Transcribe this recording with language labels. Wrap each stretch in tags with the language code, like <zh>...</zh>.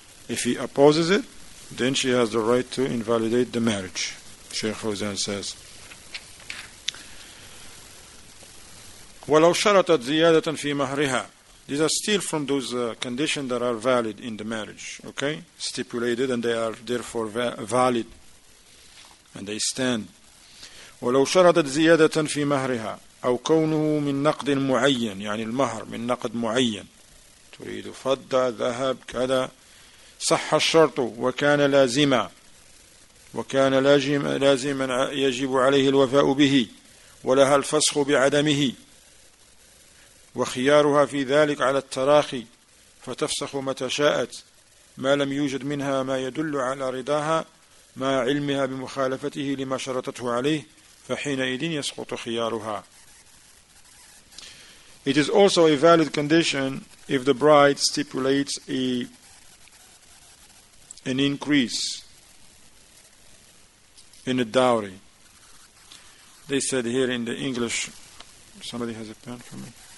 <en>If he opposes it, then she has the right to invalidate the marriage, Sheikh Fawzan says.</en> <ar>وَلَوْ شَرَطَتْ زِيَادَةً فِي مَهْرِهَا.</ar> <en>These are still from those conditions that are valid in the marriage, okay? Stipulated, and they are therefore valid, and they stand.</en> <ar>وَلَوْ شَرَطَتْ زِيَادَةً فِي مَهْرِهَا أَوْ كَوْنُهُ مِنْ نَقْدٍ مُعَيَّنٍ يعني المهر من نقد معين تريد فضة ذهب كذا صح الشرط وكان لازما وكان لازما يجب عليه الوفاء به ولها الفسخ بعدمه وخيارها في ذلك على التراخي فتفسخ متى شاءت ما لم يوجد منها ما يدل على رضاها مع علمها بمخالفته لما شرطته عليه فحينئذ يسقط خيارها.</ar> <en>It is also a valid condition if the bride stipulates an increase in the dowry. They said here in the English, somebody has a pen for me.</en>